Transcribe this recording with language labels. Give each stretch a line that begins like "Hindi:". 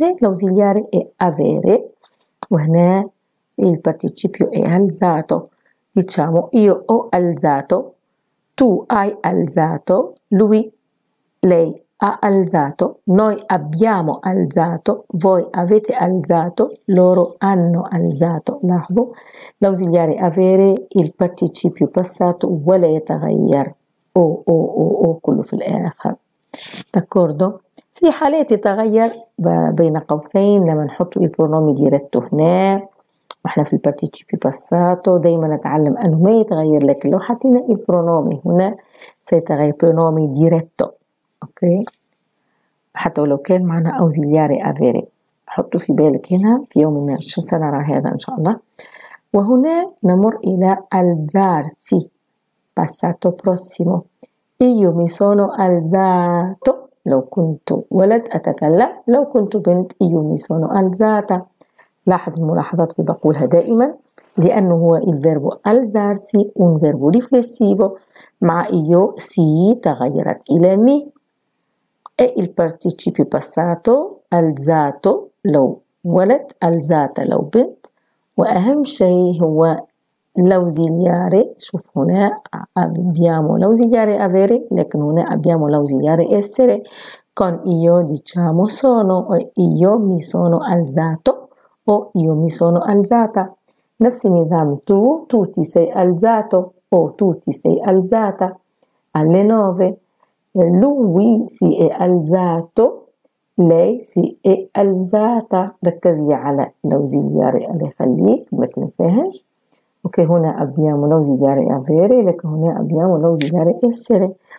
Italian: l'ausiliare è avere
Arabic: وهنا
Italian: il participio è alzato. diciamo io ho alzato، tu hai alzato، lui lei ha alzato، noi abbiamo alzato، voi avete alzato، loro hanno alzato.
Arabic: لاحظوا
Italian: l'ausiliare avere il participio passato
Arabic: ولا يتغير او كله في الاخر،
Italian: d'accordo؟
Arabic: في حالات يتغير بين قوسين لما نحط
Italian: il pronome diretto
Arabic: هنا، واحنا في الparticipio passato دايما نتعلم انه ما يتغير، لكن لو حطينا
Italian: il pronome
Arabic: هنا سيتغير
Italian: pronome diretto.
Arabic: اوكي، حتى لو كان معنا أوزيلياري أفيري، حطوا في بالك هنا في يوم ما سنرى هذا إن شاء الله. وهنا نمر إلى ألزارسي، passato prossimo.
Italian: io mi sono alzato،
Arabic: لو كنت ولد أتكلم، لو كنت بنت
Italian: io mi sono alzata.
Arabic: لاحظ الملاحظات اللي بقولها دائما، لأنه هو الفيرب ألزارسي un verbo riflessivo، مع io سي تغيرت إلى مي.
Italian: e il participio passato alzato
Arabic: لو ولد،
Italian: alzata
Arabic: لو بنت، واهم شيء هو
Italian: l'ausiliare.
Arabic: شوف هنا
Italian: abbiamo l'ausiliare avere،
Arabic: لكن هنا
Italian: abbiamo l'ausiliare essere. con io diciamo sono، io mi sono alzato o io mi sono alzata. نفس النظام، tu ti sei alzato o tu ti sei alzata. alle 9 lui si è alzato, lei si è alzata,
Arabic: ركزي على لوزي جاري اللي خليك ما تنساهش. اوكي هنا
Italian: abbiamo لوزي جاري avere,
Arabic: لكن هنا
Italian: abbiamo لوزي جاري essere.